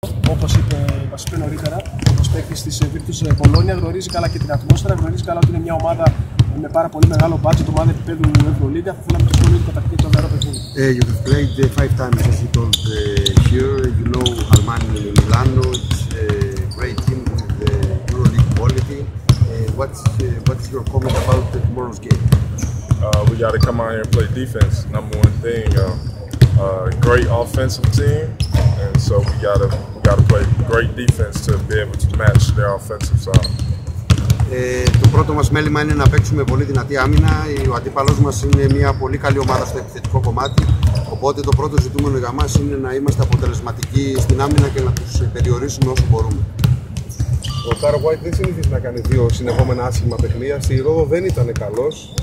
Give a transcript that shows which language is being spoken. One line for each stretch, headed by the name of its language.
Greek: όπως είπε νωρίτερα, ως παίκτης της Virtus Bologna, γνωρίζει καλά και την ατμόσφαιρα, γνωρίζει καλά ότι είναι μια ομάδα με πάρα πολύ μεγάλο budget, ομάδα επίπεδου Ευρωλίγκα, αφού να μην ξέρει κατά ποιο τρόπο θα γίνει.
English: You have played 5 times, as you told here, you know Armani Milano, it's a great team with Euroleague quality. What's your comment about tomorrow's game? We got to come out here and play defense, number one thing. Great offensive team, and so we gotta play great defense to be able to match their offensive side.
Greek: Το πρώτο μας μέλημα είναι να παίξουμε πολύ δυνατή άμυνα. Ο αντίπαλός μας είναι μια πολύ καλή ομάδα στο επιθετικό κομμάτι. Οπότε το πρώτο ζητούμενο για μας είναι να είμαστε αποτελεσματικοί στην άμυνα και να τους περιορίσουμε όσο μπορούμε. Ο Τάρο Γουάιτ δεν συνήθισε να κάνει δύο συνεχόμενα άσχημα παιχνίδια. Στη Ρόδο δεν ήταν καλός.